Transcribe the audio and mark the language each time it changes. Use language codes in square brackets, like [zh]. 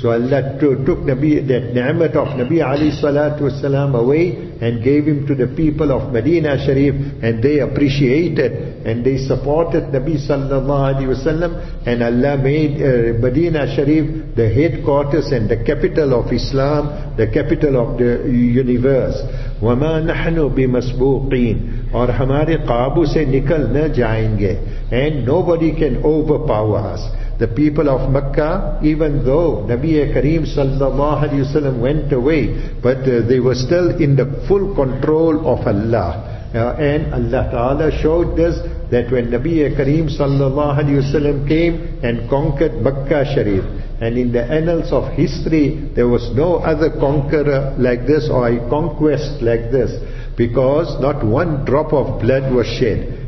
[en] So Allah took that ni'mat of Nabi Alayhi Salatu Wasalam away and gave him to the people of Medina Sharif, and they appreciated and they supported Nabi Sallallahu Alaihi Wasallam, and Allah made Medina Sharif the headquarters and the capital of Islam, the capital of the universe. [ar] وَمَا نَحْنُ بِمَسْبُوقِينَ [ur] اور ہمارے قابو سے نکل نہ جائیں گے. [en] And nobody can overpower us. The people of Makkah, even though Nabi Kareem Sallallahu Alaihi Wasallam went away, but they were still in the full control of Allah. And Allah Ta'ala showed this, that when Nabi Kareem Sallallahu Alaihi Wasallam came and conquered Makkah Sharif, and in the annals of history, there was no other conqueror like this or a conquest like this, because not one drop of blood was shed.